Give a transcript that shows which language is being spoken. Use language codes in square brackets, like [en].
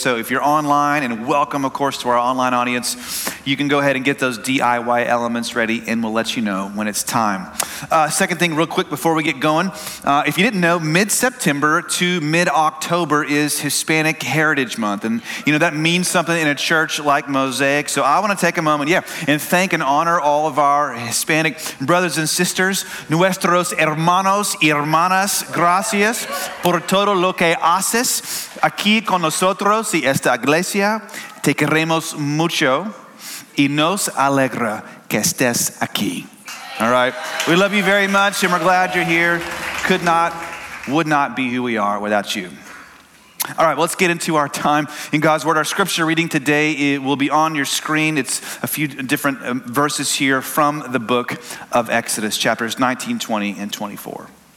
[en] So if you're online, and welcome, of course, to our online audience, you can go ahead and get those DIY elements ready, and we'll let you know when it's time. Second thing, real quick, before we get going, if you didn't know, mid-September to mid-October is Hispanic Heritage Month. And, you know, that means something in a church like Mosaic. So I want to take a moment, and thank and honor all of our Hispanic brothers and sisters, [es] nuestros hermanos y hermanas, gracias por todo lo que haces aquí con nosotros y esta iglesia. Te queremos mucho y nos alegra que estés aquí. [en] All right. We love you very much and we're glad you're here. Could not, would not be who we are without you. All right, well, let's get into our time in God's Word. Our scripture reading today, it will be on your screen. It's a few different verses here from the book of Exodus, chapters 19, 20, and 24.